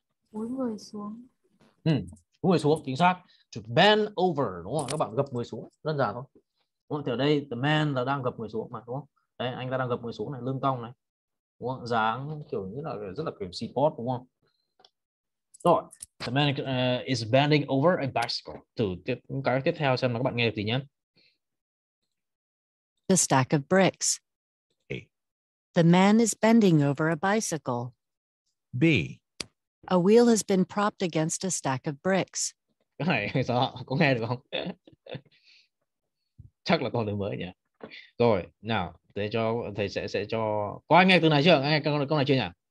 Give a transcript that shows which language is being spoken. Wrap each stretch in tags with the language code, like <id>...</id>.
<vi>Bốn người xuống. Ừ. Người xuống, chính xác.</vi> <en>To bend over,</en> <vi>đúng không? Các bạn gập người xuống, đơn giản thôi. Đúng không? Thì ở đây, the man là đang gập người xuống mà, đúng không? Đấy, anh ta đang gập người xuống này, lưng cong này. Đúng không? Dáng kiểu như là rất là kiểu support, đúng không?</vi> <en>Rồi, the man is bending over a bicycle.</en> <vi>Thử tiếp, cái tiếp theo xem là các bạn nghe được gì nhé.</vi> <en>The stack of bricks. A. The man is bending over a bicycle. B. A wheel has been propped against a stack of bricks.</en> <vi>Cái này sao có nghe được không? Chắc là con từ mới nhỉ. Rồi, nào, thầy sẽ cho có ai nghe từ này chưa? Anh nghe con này chưa nhỉ?</vi>